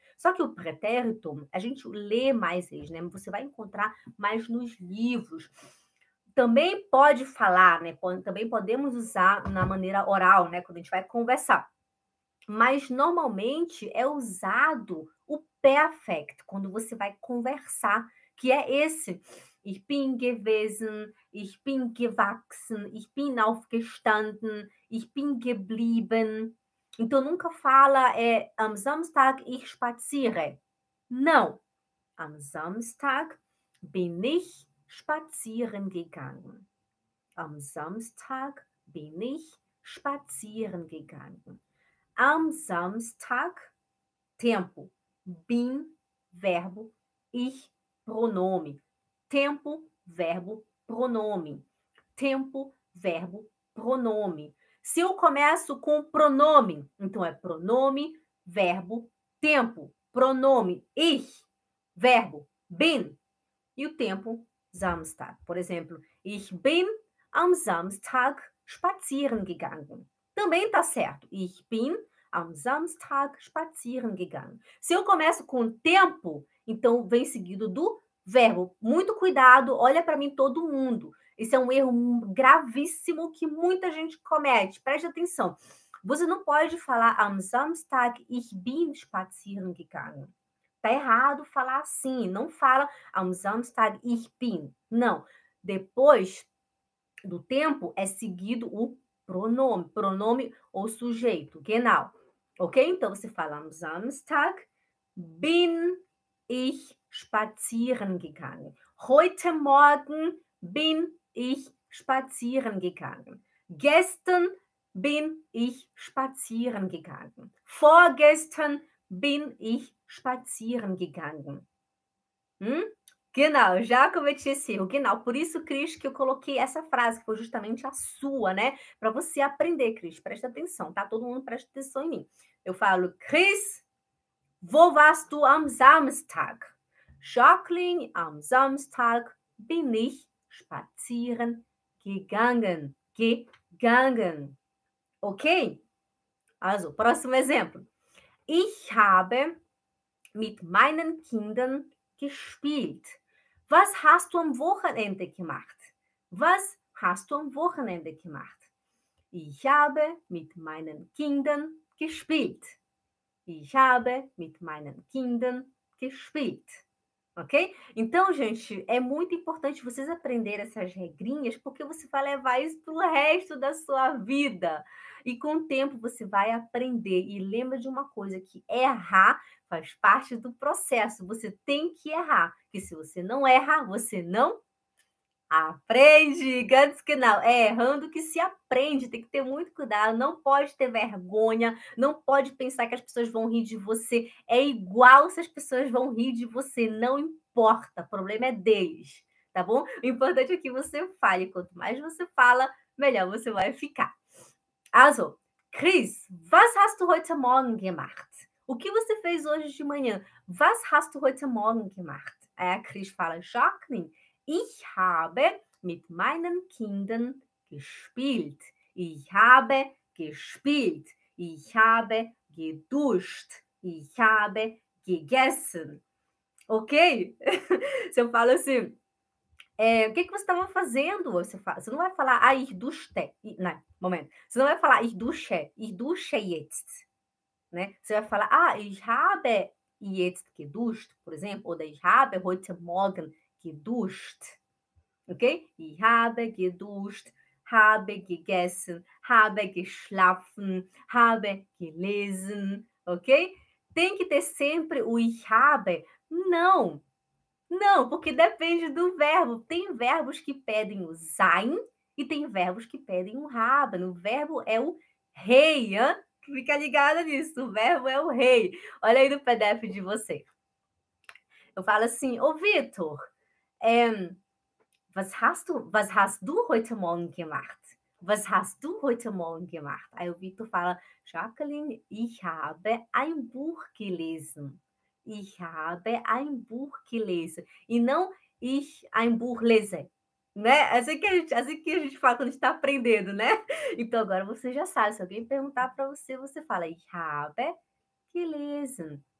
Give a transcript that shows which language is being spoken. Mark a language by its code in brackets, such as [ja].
[pt] Só que o pretérito, a gente lê mais eles, né? Você vai encontrar mais nos livros. Também pode falar, né? Também podemos usar na maneira oral, né? Quando a gente vai conversar. Mas normalmente é usado o perfect quando você vai conversar, que é esse. [de] Ich bin gewesen, ich bin gewachsen, ich bin aufgestanden, ich bin geblieben. [pt] Então, nunca fala [de] am Samstag ich spaziere. [pt] Não. [de] Am Samstag bin ich spazieren gegangen. Am Samstag bin ich spazieren gegangen. am Samstag, tempo, bin, verbo, ich, pronome. [pt] Tempo, verbo, pronome. Tempo, verbo, pronome. Se eu começo com pronome, então é pronome, verbo, tempo. Pronome, ich, verbo, bin. E o tempo, Samstag. Por exemplo, [de] ich bin am Samstag spazieren gegangen. [pt] Também está certo. [de] Ich bin am Samstag spazieren gegangen. [pt] Se eu começo com tempo, então vem seguido do verbo. Muito cuidado, olha para mim todo mundo. Esse é um erro gravíssimo que muita gente comete. Preste atenção. Você não pode falar [de] am Samstag ich bin spazieren gegangen. [pt] Tá errado falar assim. Não fala [de] am Samstag ich bin. [pt] Não. Depois do tempo é seguido o pronome. Pronome ou sujeito. Genau. Ok? Então você fala [de] am Samstag bin ich spazieren gegangen. Heute Morgen bin ich spazieren gegangen. Gestern bin ich spazieren gegangen. Vorgestern bin ich spazieren gegangen. [pt] Genau, já cometi esse erro. Genau, por isso, Cris, que eu coloquei essa frase, que foi justamente a sua, né? Para você aprender, Cris. Presta atenção, tá? Todo mundo presta atenção em mim. Eu falo, [de] Cris, wo warst du am Samstag? Jacqueline, am Samstag bin ich spazieren gegangen. [pt] Gegangen. Ok? Also, próximo exemplo. [de] Ich habe mit meinen Kindern gespielt. Was hast du am Wochenende gemacht? Was hast du am Wochenende gemacht? Ich habe mit meinen Kindern gespielt. Ich habe mit meinen Kindern gespielt. Ok? [pt] Então, gente, é muito importante vocês aprenderem essas regrinhas porque você vai levar isso para o resto da sua vida. E com o tempo você vai aprender. E lembra de uma coisa, que errar faz parte do processo. Você tem que errar. Porque se você não erra, você não aprende. [de] Ganz genau. [pt] É errando que se aprende. Tem que ter muito cuidado. Não pode ter vergonha. Não pode pensar que as pessoas vão rir de você. É igual se as pessoas vão rir de você. Não importa. O problema é deles. Tá bom? O importante é que você fale. Quanto mais você fala, melhor você vai ficar. [de] Also, Cris, was hast du heute Morgen gemacht? [pt] O que você fez hoje de manhã? [de] Was hast du heute Morgen gemacht? [pt] Aí a Cris fala, [de] Jacqueline, ich habe mit meinen Kindern gespielt. Ich habe gespielt. Ich habe geduscht. Ich habe gegessen. Ok? [pt] Você fala assim, o que você estava fazendo? Você não vai falar, ah, [de] ich duschte. [pt] Não. Moment, você não vai falar [de] ich dusche jetzt, [pt] né? Você vai falar, ah, [de] ich habe jetzt geduscht, [pt] por exemplo, [de] oder ich habe heute Morgen geduscht, ok? Ich habe geduscht, habe gegessen, habe geschlafen, habe gelesen, ok? [pt] Tem que ter sempre o [de] ich habe, [pt] não, não, porque depende do verbo. Tem verbos que pedem o sein, e tem verbos que pedem um haben. O verbo é o rei, hein? Fica ligada nisso. O verbo é o rei. Olha aí no PDF de você. Eu falo assim, ô Vitor, [de] was hast du heute Morgen gemacht? Was hast du heute Morgen gemacht? [pt] Aí o Vitor fala, [de] Jacqueline, ich habe ein Buch gelesen. Ich habe ein Buch gelesen. [pt] E não [de] ich ein Buch lese. Né? [pt] Assim que a gente fala quando a gente está aprendendo, né? Então agora você já sabe, se alguém perguntar para você, você fala [de] ich habe gelesen.